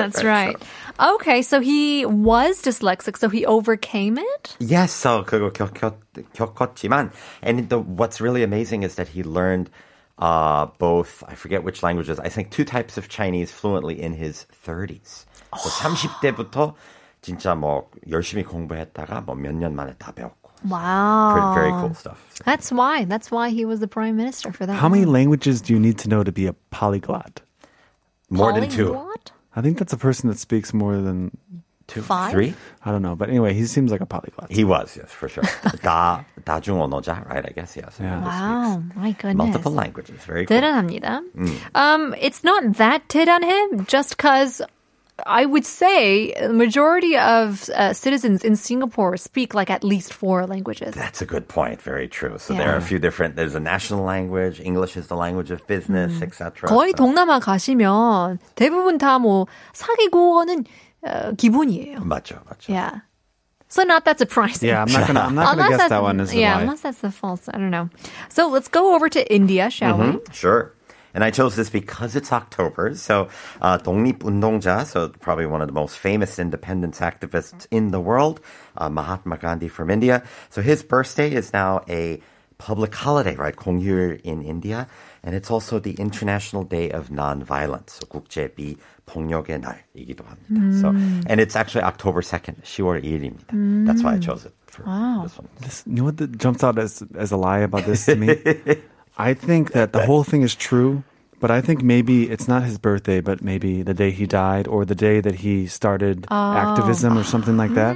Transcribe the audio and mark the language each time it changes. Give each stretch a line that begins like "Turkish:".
English: That's right. So. Okay, so he was dyslexic, so he overcame it? Yes, so
Korean: 그거 겪었지만,
English: and what's really amazing is that he learned both, I forget which languages, I think two types of Chinese fluently in his 30s.
Korean: So 30대부터 진짜 뭐 열심히 공부했다가 뭐 몇 년 만에 다 배웠고.
English: Wow. Very cool stuff. So. That's why he was the prime minister for that. How many languages do you need to know to be a polyglot? More than two. I think that's a person that speaks more than... Two, five? Three? I don't know. But anyway, he seems like a polyglot. He was, yes, for sure. 다중언어자, right, I guess, yes. Yeah. Wow, my goodness. Multiple languages, very cool.
Korean: 대단합니다.
English: It's not that 대단해, just because I would say the majority of citizens in Singapore speak like at least four languages. That's a good point. Very true. So yeah. There are a few different. There's a national language. English is the language of business, etc.
Korean: 거의 동남아 가시면 대부분 다 뭐 사기국어는 기본이에요. 맞죠, 맞죠.
English: Yeah. So not that surprising. Yeah, I'm not gonna guess that one is the Yeah, unless that's the false. I don't know. So let's go over to India, shall we? Sure. And I chose this because it's October. So 독립운동자, so probably one of the most famous independence activists in the world, Mahatma Gandhi from India. So his birthday is now a public holiday, right? 공휴일 in India. And it's also the International Day of Nonviolence.
Korean: So 국제 비폭력의 날이기도 합니다.
English: So, and it's actually October 2nd,
Korean: 10월 2일입니다.
English: That's why I chose it for this one. You know what that jumps out as a lie about this to me? I think that the whole thing is true, But I think maybe it's not his birthday, but maybe the day he died or the day that he started activism or something like that.